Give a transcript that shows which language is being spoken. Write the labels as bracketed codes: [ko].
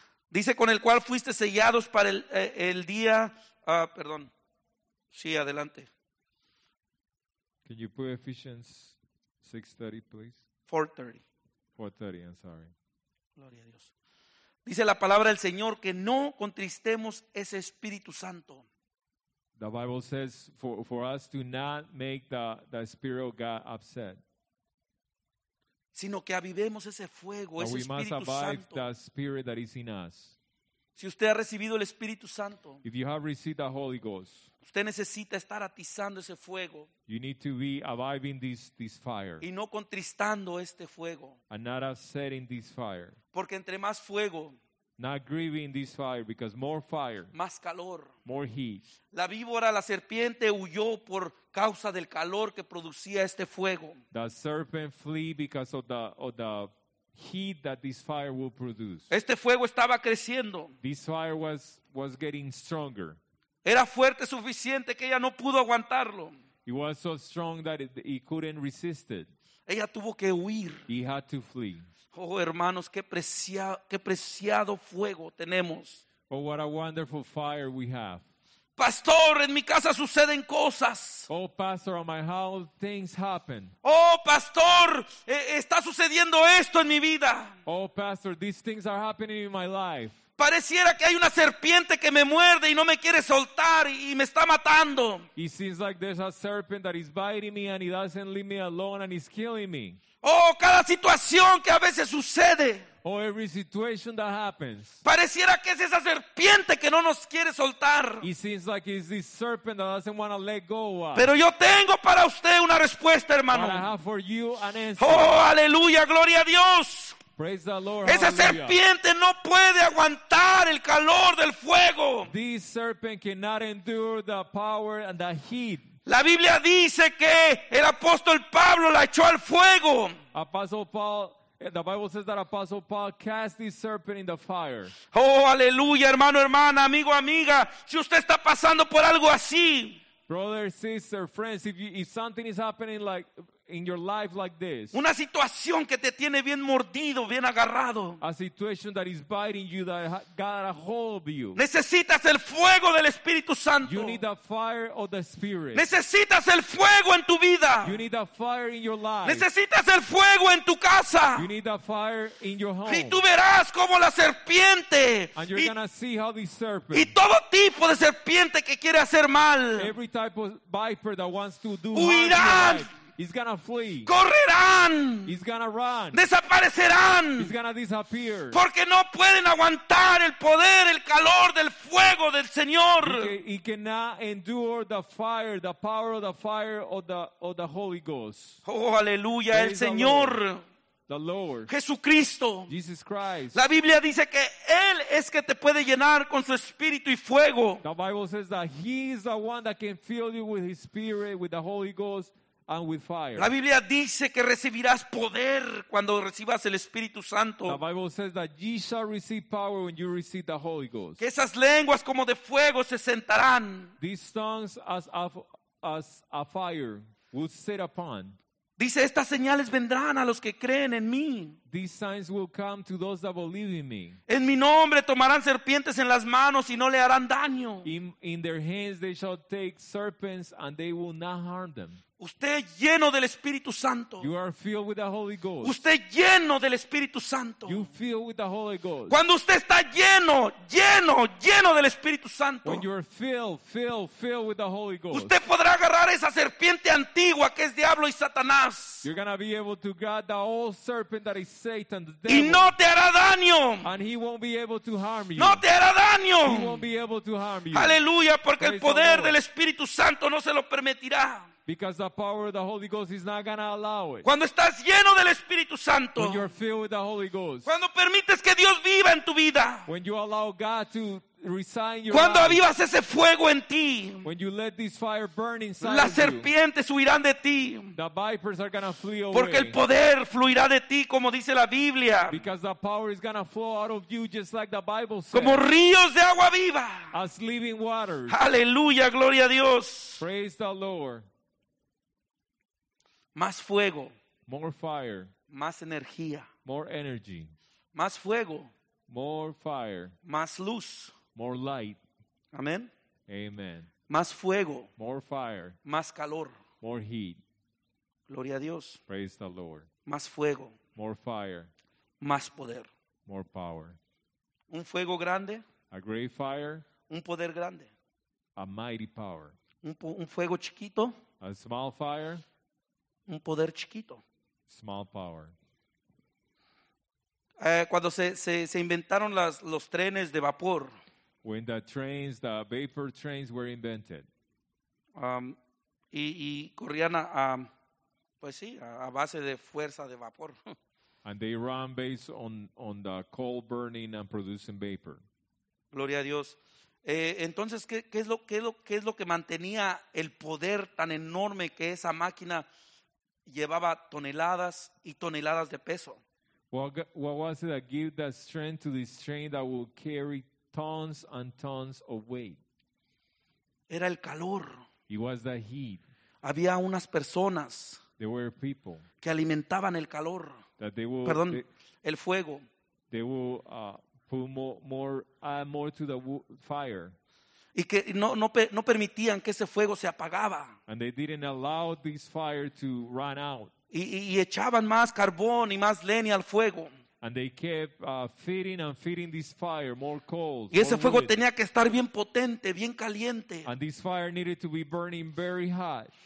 [es] Dice, con el cual fuiste sellados para el día, perdón, sí, adelante. [en] Can you put Ephesians 6:30, please? 4:30. 4:30, I'm sorry. [es] Gloria a Dios. Dice la palabra del Señor que no contristemos ese Espíritu Santo. [en] The Bible says for us to not make the Spirit of God upset. [es] Sino que avivemos ese fuego, [en] that [es] ese [en] we [es] Espíritu [en] must abide [es] Santo. [en] The Spirit that is in us. [es] Si usted ha recibido el Espíritu Santo, [en] if you have received the Holy Ghost, [es] usted necesita estar atizando ese fuego. [en] You need to be aviving this fire. [es] Y no contristando este fuego. [en] And not upsetting this fire. [es] Porque entre más fuego, [en] Not grieving this fire, because more fire. [es] Más calor. [en] More heat. [es] La víbora, la serpiente, huyó por causa del calor que producía este fuego. [en] The serpent flee because of the heat that this fire will produce. [es] Este fuego estaba creciendo. [en] This fire was getting stronger. [es] Era fuerte suficiente que ella no pudo aguantarlo. [en] It was so strong that he couldn't resist it. [es] Ella tuvo que huir. [en] He had to flee. [es] Oh, hermanos, qué preciado fuego tenemos. [en] Oh, what a wonderful fire we have. [es] Pastor, en mi casa suceden cosas. [en] Oh, pastor, in my house things happen. [es] Oh, pastor, está sucediendo esto en mi vida. [en] Oh, pastor, these things are happening in my life. [es] Pareciera que hay una serpiente que me muerde y no me quiere soltar y me está matando. [en] It seems like there's a serpent that is biting me and he doesn't leave me alone and he's killing me. [es] Oh, cada situación que a veces sucede. [en] Oh, every situation that happens. [es] Pareciera que es esa serpiente que no nos quiere soltar. [en] It seems like it's this serpent that doesn't want to let go. [es] Pero yo tengo para usted una respuesta, hermano. [en] But I have for you an answer. [es] Oh, aleluya, gloria a Dios. [en] Praise the Lord. [es] Esa [en] hallelujah. [es] Serpiente no puede aguantar el calor del fuego. [en] This serpent cannot endure the power and the heat. [es] La Biblia dice que el apóstol Pablo la echó al fuego. [en] Apostle Paul, the Bible says that Apostle Paul cast this serpent in the fire. [es] Oh, aleluya, hermano, hermana, amigo, amiga, si usted está pasando por algo así. [en] Brother, sister, friends, if something is happening like in your life like this. [es] Una situación que te tiene bien mordido, bien agarrado. [en] A situation that is biting you, that got a hold of you. [es] Necesitas el fuego del Espíritu Santo. [en] You need the fire of the Spirit. [es] Necesitas el fuego en tu vida. [en] You need the fire in your life. [es] Necesitas el fuego en tu casa. [en] You need the fire in your home. [es] Y tú verás como la serpiente. [en] And you're gonna see how the serpent. [es] Y todo tipo de serpiente que quiere hacer mal. [en] Every type of viper that wants to do [es] huirán. [en] He's gonna flee. [es] Correrán. [en] He's gonna run. [es] Desaparecerán. [en] He's gonna disappear. [es] Porque no pueden aguantar el poder, el calor del fuego del Señor. [en] He cannot endure the fire, the power of the fire of the Holy Ghost. [es] Oh, aleluya, el Señor. [en] The Lord. [es] Jesucristo. [en] Jesus Christ. [es] La Biblia dice que Él es que te puede llenar con su Espíritu y fuego. [en] The Bible says that He is the one that can fill you with His Spirit, with the Holy Ghost. And with fire. [es] La Biblia dice que recibirás poder cuando recibas el Espíritu Santo. [en] The Bible says that ye shall receive power when you receive the Holy Ghost. [es] Que esas lenguas como de fuego se sentarán. [en] These tongues as a fire will sit upon. [es] Dice, estas señales vendrán a los que creen en mí. [en] These signs will come to those that believe in me. [es] En mi nombre tomarán serpientes en las manos y no le harán daño. [en] In their hands they shall take serpents and they will not harm them. [es] Usted lleno del Espíritu Santo. [en] You are filled with the Holy Ghost. [es] Usted lleno del Espíritu Santo. [en] You filled with the Holy Ghost. [es] Cuando usted está lleno, lleno, lleno del Espíritu Santo. [en] When you are filled with the Holy Ghost. [es] Usted podrá agarrar esa serpiente antigua que es diablo y Satanás. [en] You're gonna be able to grab the old serpent that is Satan, the devil. [es] Y no te hará daño. [en] And he won't be able to harm you. [es] No te hará daño. [en] He won't be able to harm you. [es] Aleluya, porque el poder del Espíritu Santo no se lo permitirá. [en] Because the power of the Holy Ghost is not going to allow it. [es] Cuando estás lleno del Espíritu Santo. [en] When you're filled with the Holy Ghost. [es] Cuando permites que Dios viva en tu vida. [en] When you allow God to reside in your [es] Cuando [en] life. [es] Avivas ese fuego en ti. [en] When you let this fire burn inside [es] Las serpientes [en] you. [es] Huirán de ti. [en] The vipers are going to flee away. [es] Porque el poder fluirá de ti, como dice la Biblia. [en] Because the power is going to flow out of you, just like the Bible says. [es] Como ríos de agua viva. [en] As living water. [es] Aleluya, gloria a Dios. [en] Praise the Lord. [es] Más fuego. [en] More fire. [es] Más energía. [en] More energy. [es] Más fuego. [en] More fire. [es] Más luz. [en] More light. [es] Amén. [en] Amen. [es] Más fuego. [en] More fire. [es] Más calor. [en] More heat. [es] Gloria a Dios. [en] Praise the Lord. [es] Más fuego. [en] More fire. [es] Más poder. [en] More power. [es] Un fuego grande. [en] A great fire. [es] Un poder grande. [en] A mighty power. [es] Un fuego chiquito. [en] A small fire. [es] Un poder chiquito. [en] Small power. [es] Cuando se inventaron los trenes de vapor. [en] When the vapor trains were invented. [es] Y corrían a base de fuerza de vapor. [en] And they run based on the coal burning and producing vapor. [es] Gloria a Dios. Entonces, ¿qué es lo que mantenía el poder tan enorme que esa máquina llevaba toneladas y toneladas de peso? [en] What was it that gave that strength to this train that would carry tons and tons of weight? [es] Era el calor. [en] It was the heat. [es] Había unas personas. [en] There were people [es] que alimentaban el calor. [en] That they will, [es] perdón, [en] they, [es] el fuego. [en] They will put more to the fire. [es] Y que no permitían que ese fuego se apagaba. [en] And they didn't allow this fire to run out. [es] Y echaban más carbón y más leña al fuego. [en] And they kept feeding and feeding this fire more coals. [es] Y ese fuego tenía que estar bien potente, bien caliente. [en] And this fire needed to be burning very hot.